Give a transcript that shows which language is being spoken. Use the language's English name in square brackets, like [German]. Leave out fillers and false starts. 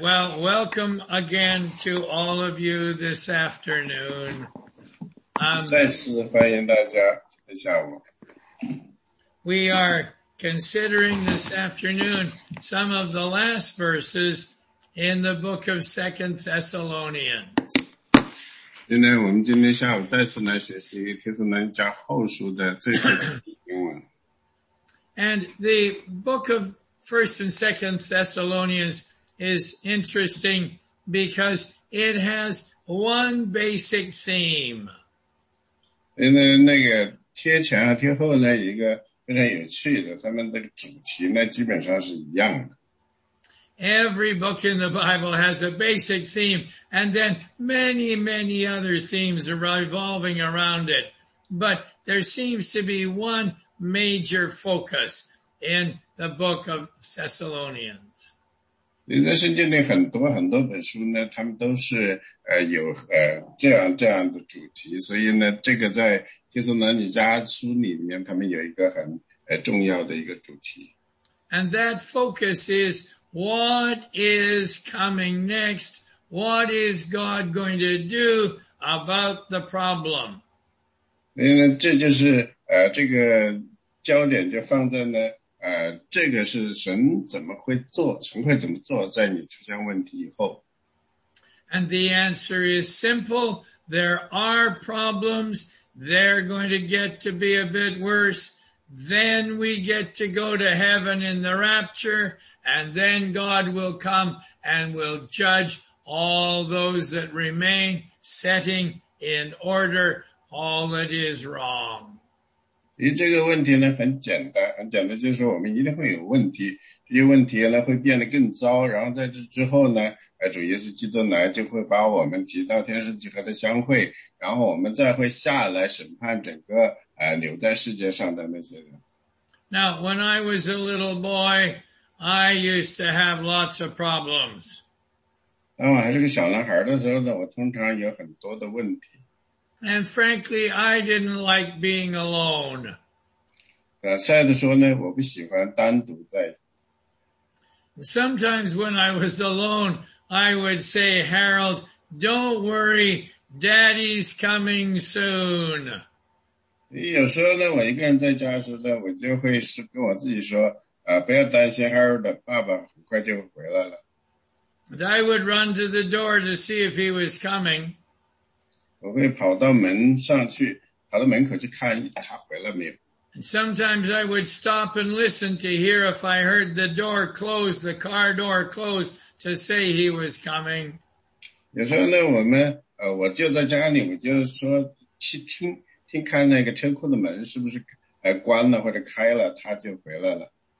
[English] Well, welcome again to all of you this afternoon. [Chinese] 再次欢迎大家下午。 [English] We are considering this afternoon some of the last verses in the book of 2 Thessalonians. [Chinese] 今天我们今天下午再次来学习《帖撒罗尼迦后书》的最后一段英文。 [English] And the book of 1 and 2 Thessalonians is interesting because it has one basic theme. [Chinese] 因为那个贴前和贴后呢，一个非常有趣的，他们的主题呢基本上是一样的。 [English] Every book in the Bible has a basic theme, and then many, many other themes are revolving around it. But there seems to be one major focus in the book of Thessalonians. [Chinese] 在圣经里很多很多本书呢，他们都是有这样这样的主题，所以呢，这个在帖撒罗尼迦书里面，他们有一个很重要的一个主题。 [English] And that focus is. What is coming next? What is God going to do about the problem? [Chinese] 因为这就是这个焦点就放在呢这个是神怎么会做，神会怎么做在你出现问题以后。 [English] And the answer is simple. There are problems. They're going to get to be a bit worse. Then we get to go to heaven in the rapture, and then God will come and will judge all those that remain, setting in order all that is wrong. [Chinese] 这个问题呢很简单，很简单，就是我们一定会有问题，这些问题呢会变得更糟，然后在这之后呢，主耶稣基督呢就会把我们提到天上去和他相会，然后我们再会下来审判整个留在世界上的那些人。 [English] Now, when I was a little boy, I used to have lots of problems. [Chinese] 当我还是个小男孩的时候呢，我通常有很多的问题。 [English] And frankly, I didn't like being alone. [Chinese] 再的说呢，我不喜欢单独在。 [English] Sometimes when I was alone, I would say, Harold, don't worry, Daddy's coming soon. [Chinese] 有时候呢，我一个人在家的时候呢，我就会是跟我自己说，不要担心 ，Harold 的爸爸很快就会回来了。 [English] And I would run to the door to see if he was coming. [Chinese] 我会跑到门上去，跑到门口去看他回来没有。 [English] And sometimes I would stop and listen to hear if I heard the door close, the car door close, to say he was coming. [Chinese] 有时候呢，我们我就在家里，我就说去听。听看那个车库的门是不是关了或者开了，他就回来了。